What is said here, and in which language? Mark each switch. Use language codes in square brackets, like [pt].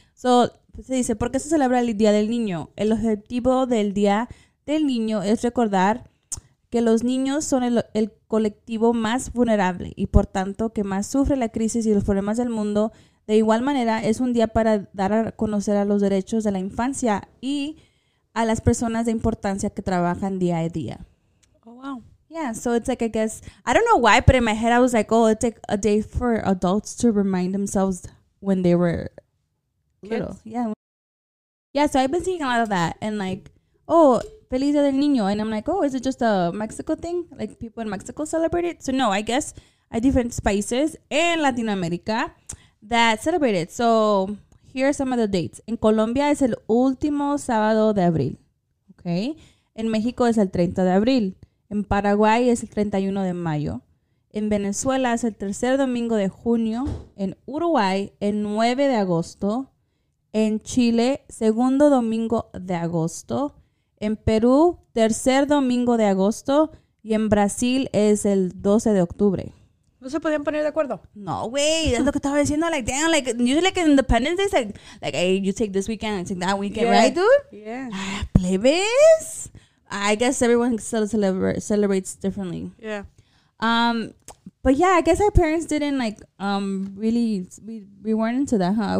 [es] So, se dice, ¿por qué se celebra el Día del Niño? El objetivo del Día del Niño es recordar que los niños son el colectivo más vulnerable y, por tanto, que más sufre la crisis y los problemas del mundo. De igual manera, es un día para dar a conocer a los derechos de la infancia y a las personas de importancia que trabajan día a día. [en] Oh, wow. Yeah, so it's like, I guess, I don't know why, but in my head I was like, oh, it's like a day for adults to remind themselves when they were little. Yeah, so I've been seeing a lot of that and like, oh, [es] Feliz Día del Niño. [en] And I'm like, oh, is it just a Mexico thing? Like people in Mexico celebrate it? So no, I guess at different spaces in Latin America that celebrated. So here are some of the dates. [es] En Colombia es el último sábado de abril. Okay. En México es el 30 de abril. En Paraguay es el 31 de mayo. En Venezuela es el tercer domingo de junio. En Uruguay, el 9 de agosto. En Chile, segundo domingo de agosto. En Perú, tercer domingo de agosto. Y en Brasil es el 12 de octubre. ¿No se podían poner de acuerdo? No, güey. Es lo que estaba diciendo. [en] Like, damn. Like, usually, like, Independence Day, like, hey, you take this weekend, and take that weekend, yeah. Right, dude? Yeah. [es] Plebes? [en] I guess everyone still celebrates differently. Yeah. But, yeah, I guess our parents didn't, like, really, we weren't into that, huh?